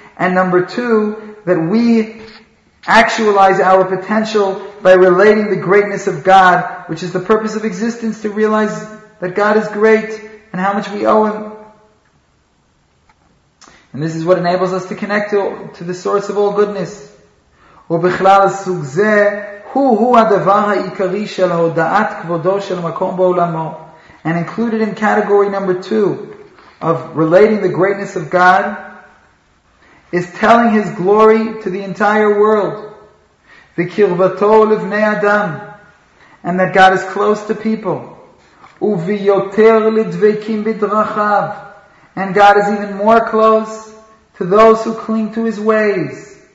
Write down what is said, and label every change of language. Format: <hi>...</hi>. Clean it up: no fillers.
<en>And number two, that we actualize our potential by relating the greatness of God, which is the purpose of existence, to realize that God is great and how much we owe Him. And this is what enables us to connect to the source of all goodness.</en> <he>ובכלל סוג זה הוא הוא הדבר העיקרי של הודעת כבודו של מקום בעולמו.</he> <en>And included in category number two of relating the greatness of God is telling His glory to the entire world. וקרבתו לבני אדם. And that God is close to people. וביותר לדבקים בדרכיו. And God is even more close to those who cling to His ways.</en>